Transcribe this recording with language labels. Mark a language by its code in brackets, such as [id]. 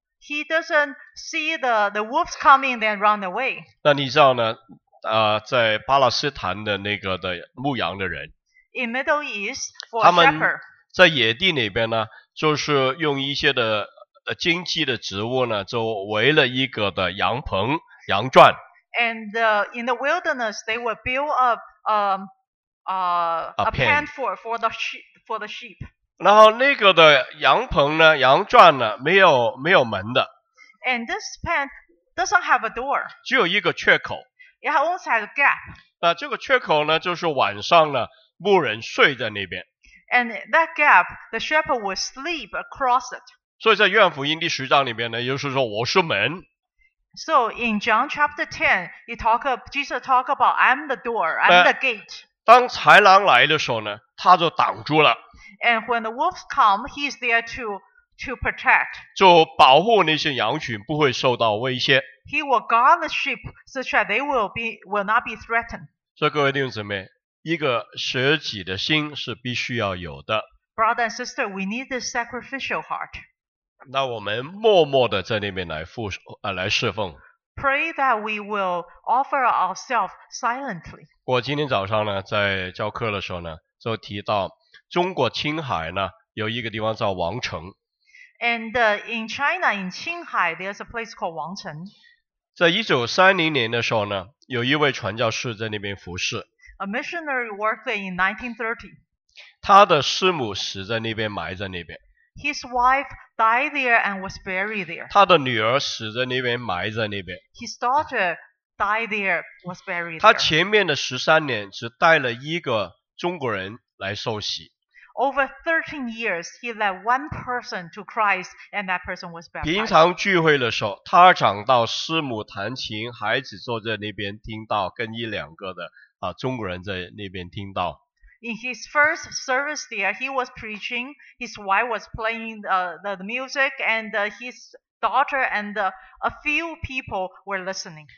[en] He doesn't see the wolves coming then run away. [zh] 那你知道呢？在巴勒斯坦的那个的牧羊的人 [en] ，In Middle East for [zh] 他们在野地里边呢，就是用一些的荆棘的植物呢，就围了一个的羊棚、羊圈。 [en] And in the wilderness, they would build up a pen for the sheep. [zh] 然后那个的羊棚呢、羊圈呢，没有门的。 [en] And this pen doesn't have a door. [zh] 只有一个缺口。 [en] It almost has a gap. [zh] 那这个缺口呢，就是晚上呢，牧人睡在那边。 [en] And that gap, the shepherd will sleep across it. [zh] 所以在约翰福音第十章里边呢，就是说我是门。 [en] So in John chapter 10, Jesus talk about I'm the door, I'm the gate. [zh] 当豺狼来的时候呢，他就挡住了。 [en] And when the wolves come, he's there to protect. [zh] 就保护那些羊群不会受到威胁。 [en] He will guard the sheep such that they will not be threatened. [zh] 所以各位弟兄姊妹，一个舍己的心是必须要有的。 [en] Brother and sister, we need this sacrificial heart. [zh] 那我们默默的在那边来侍奉。 [en] Pray that we will offer ourselves silently. [zh] 我今天早上呢，在教课的时候呢，就提到中国青海呢，有一个地方叫王城。 [en] And in China, in Qinghai, there's a place called Wangcheng. [zh] 在1930年的时候呢，有一位传教士在那边服侍。 [en] A missionary worked there in 1930. [zh] 他的师母死在那边，埋在那边。 [en] His wife died there and was buried there. [zh] 他的女儿死在那边，埋在那边。 [en] His daughter died there, was buried there. [zh] 他前面的十三年只带了一个中国人来受洗。 [en] Over 13 years, he led one person to Christ, and that person was baptized. [zh] 平常聚会的时候，他讲到师母弹琴，孩子坐在那边听到，跟一两个的啊中国人在那边听到。 [en] In his first service there, he was preaching. His wife was playing the music, and his daughter and a few people were listening.